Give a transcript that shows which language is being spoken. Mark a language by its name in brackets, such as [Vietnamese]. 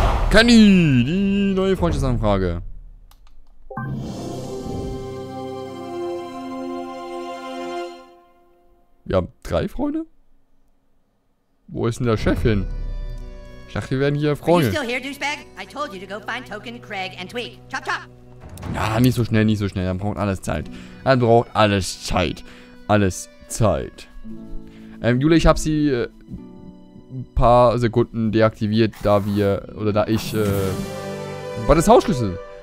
[German] Kenny, die neue Freundschaftsanfrage. Wir haben drei Freunde? Wo ist denn der Chef hin? Ich dachte, wir werden hier Freunde. [English] Are you still here, douchebag? I told you to go find Token, Craig and Tweak. Chop, chop! [German] Ja, nicht so schnell, nicht so schnell. Er braucht alles Zeit. Er braucht alles Zeit. Alles Zeit. Julia, ich habe sie ein paar Sekunden deaktiviert, da wir, oder da ich, war das Hausschlüssel?